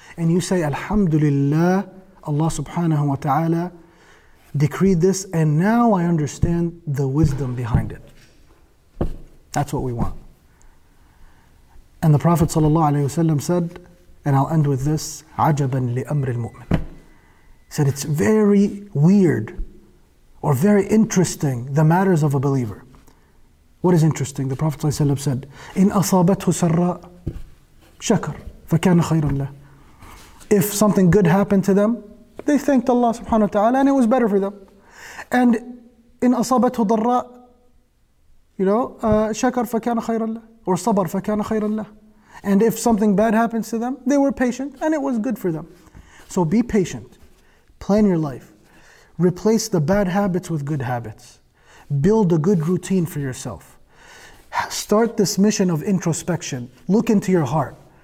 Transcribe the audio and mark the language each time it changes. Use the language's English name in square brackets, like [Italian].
[English] And you say, Alhamdulillah, Allah subhanahu wa ta'ala decreed this, and now I understand the wisdom behind it. That's what we want. And the Prophet sallallahu alayhi wasallam said, and I'll end with this, [Arabic] عَجَبًا لِأَمْرِ الْمُؤْمِنِ. [English] He said, it's very weird or very interesting, the matters of a believer. What is interesting? The Prophet sallallahu alayhi wasallam said, [Arabic] إِنْ أَصَابَتْهُ سَرَّاءَ شَكَرْ فَكَانَ خَيْرًا لَهُ. [English] If something good happened to them, they thanked Allah subhanahu wa ta'ala and it was better for them. [Arabic] And إِنْ أَصَابَتْهُ ضَرَّاءَ, [English] you know, [Arabic] شَكَرْ فَكَانَ خَيْرًا لَهُ or صَبَرْ فَكَانَ خَيْرًا لَهُ. [English] And if something bad happens to them, they were patient and it was good for them. So be patient. Plan your life. Replace the bad habits with good habits. Build a good routine for yourself. Start this mission of introspection. Look into your heart.